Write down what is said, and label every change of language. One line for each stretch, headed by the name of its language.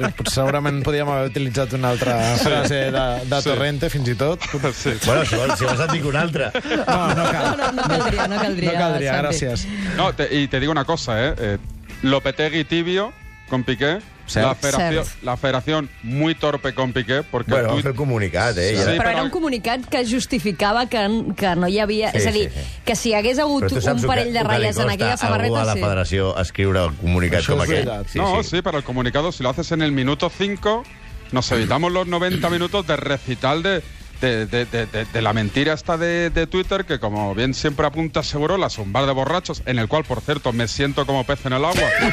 Catalan: Segurament podríem haver utilitzat una altra frase de Torrente, sí. Fins i tot. Sí. Bueno, si vols et dic una altra. No caldria, Santi. Gràcies.
Spanish: No, te digo una cosa, Lopetegui tibio con Piqué. La federación muy torpe con Piqué, porque
Catalan: bueno, tuit... comunicat, sí, ja. Sí, però era un comunicat que justificava que no hi havia, sí, és a dir, sí, sí, que si hi hagués hagut un parell de ratlles en aquella samarreta, sí. La federació escriure el comunicat això com aquest.
Spanish: Sí, no, sí, però el comunicado si lo haces en el minuto 5, nos evitamos los 90 minutos de recital de la mentira esta de Twitter, que como bien siempre apunta seguro, la zumbar de borrachos, en el cual, por cierto, me siento como pez en el agua.